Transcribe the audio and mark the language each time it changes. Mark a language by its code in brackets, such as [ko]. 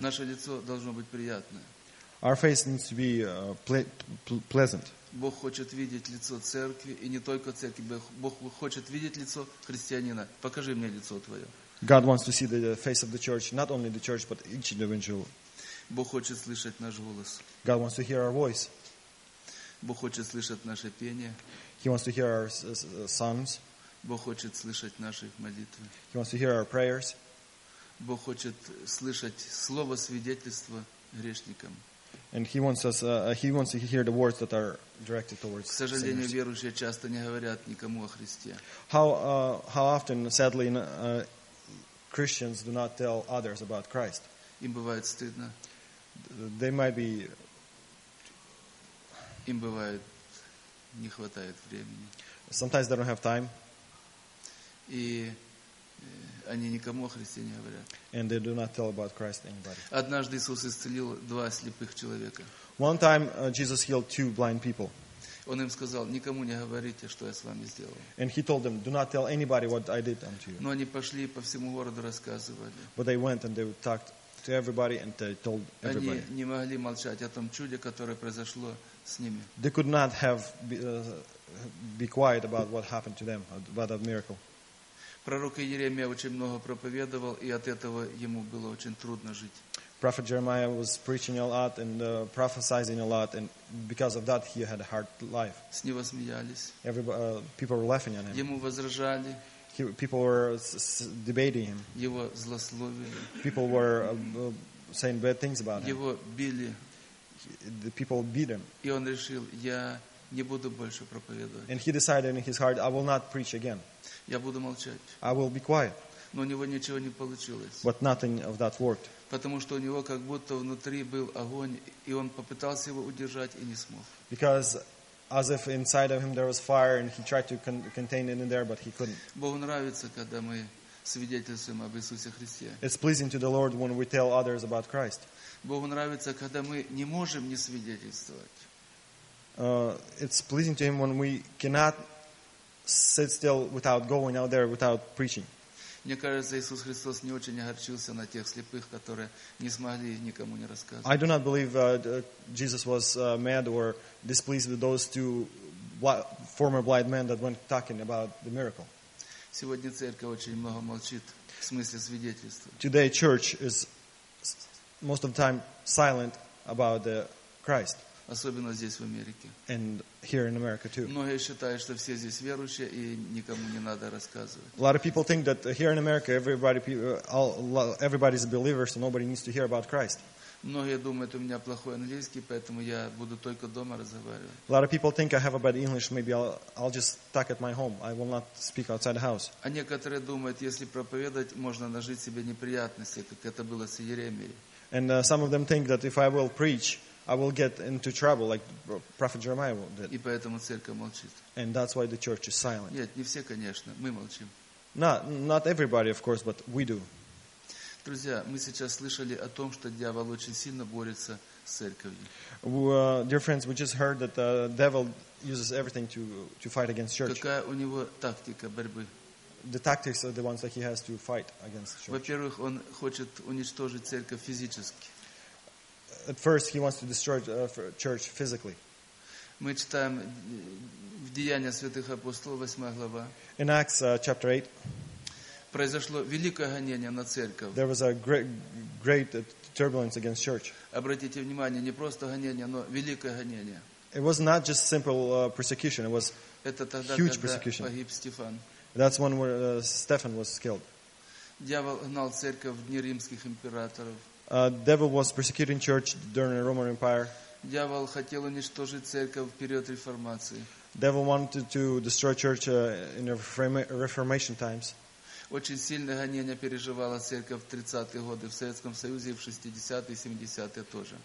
[ru] Наше лицо должно быть приятное. [en] Our face needs to be pleasant. [ru] Бог хочет видеть лицо церкви и не только церкви. Бог хочет видеть лицо христианина. Покажи мне лицо твое. [en] God wants to see the face of the church, not only the church, but each individual. [ru] Бог хочет слышать наш голос. [en] God wants to hear our voice. [ru] Бог хочет слышать наше пение. [en] He wants to hear our songs. [ru] Бог хочет слышать наши молитвы. [en] He wants to hear our prayers. [ru] Бог хочет слышать слово свидетельства грешникам. [en] And he wants us. He wants to hear the words that are directed towards. [ru] К сожалению, верующие часто не говорят никому о Христе. [en] How often, sadly, Christians do not tell others about Christ. [ru] Им бывает стыдно. [en] They might be. [ru] Им бывает не хватает времени. [en] Sometimes they don't have time. [ru] И они никому о Христе не говорят. [en] And they do not tell about Christ anybody. [ru] Однажды Иисус исцелил два слепых человека. [en] One time Jesus healed two blind people. [ru] Он им сказал: никому не говорите, что я с вами сделал. [en] And he told them, do not tell anybody what I did unto you. [ru] Но они пошли по всему городу рассказывали. [en] But they went and they talked to everybody and they told everybody. [ru] Они не могли молчать о том чуде, которое произошло с ними. [en] They could not have be quiet about what happened to them, about that miracle. [ru] Пророк Иеремия очень много проповедовал, и от этого ему было очень трудно жить. [en] Prophet Jeremiah was preaching a lot and prophesizing a lot, and because of that, he had a hard life. [ru] С него смеялись. [en] People were laughing at him. [ru] Ему возражали. [en] People were debating him. [ru] Его злословили. [en] People were saying bad things about him. [ru] Его били. [en] The people beat him. [ru] И он решил: я не буду больше проповедовать. [en] And he decided in his heart, I will not preach again. [ru] Я буду молчать. [en] I will be quiet. [ru] Но у него ничего не получилось. [en] But nothing of that worked. [ru] Потому что у него как будто внутри был огонь, и он попытался его удержать и не смог. [en] Because as if inside of him there was fire and he tried to contain it in there, but he couldn't. [ru] Богу нравится, когда мы свидетельствуем об Иисусе Христе. [en] It's pleasing to the Lord when we tell others about Christ. [ru] Богу нравится, когда мы не можем не свидетельствовать. [en] It's pleasing to him when we cannot sit still without going out there, without preaching. [ru] Мне кажется, Иисус Христос не очень огорчился на тех слепых, которые не смогли никому не рассказать. [en] I do not believe Jesus was mad or displeased with those two former blind men that went talking about the miracle. [ru] Сегодня церковь очень много молчит. в смысле свидетельства. [en] Today church is most of the time silent about the Christ. [ru] Особенно здесь в Америке. [en] And here in America too. [ru] Многие считают, что все здесь верующие и никому не надо рассказывать. [en] A lot of people think that here in America everybody's a believer, so nobody needs to hear about Christ. [ru] Многие думают, у меня плохой английский, поэтому я буду только дома разговаривать. [en] A lot of people think I have a bad English, maybe I'll just talk at my home. I will not speak outside the house. [ru] А некоторые думают, если проповедовать, можно нажить себе неприятности, как это было с Иеремией. [en] And some of them think that if I will preach, I will get into trouble like Prophet Jeremiah did. [ru] И поэтому церковь молчит. [en] And that's why the church is silent. [ru] Нет, не все, конечно, мы молчим. [en] Not everybody, of course, but we do. [ru] Друзья, мы сейчас слышали о том, что дьявол очень сильно борется с церковью. [en] Dear friends, we just heard that the devil uses everything to fight against church. [ru] Какая у него тактика борьбы? [en] The tactics are the ones that he has to fight against the church. [ru] Во-первых, он хочет уничтожить церковь физически. [en] At first, he wants to destroy church physically. [ru] Мы читаем в Деяниях святых апостолов, 8 глава. [en] In Acts, chapter 8. [ru] Произошло великое гонение на церковь. [en] There was a great turbulence against church. [ru] Обратите внимание, не просто гонение, но великое гонение. [en] It was not just simple persecution, it was huge persecution. [ru] Это тогда, когда погиб Стефан. [en] That's when Stephen was killed. [ru] Дьявол гнал церковь в дни римских императоров. [en] Devil was persecuting church during the Roman Empire. [ru] Дьявол хотел уничтожить церковь в период реформации. [en] Devil wanted to destroy church in the Reformation times. [ru] Очень сильное гонение переживала церковь в 30-е годы в Советском Союзе и в 60-е и 70-е тоже.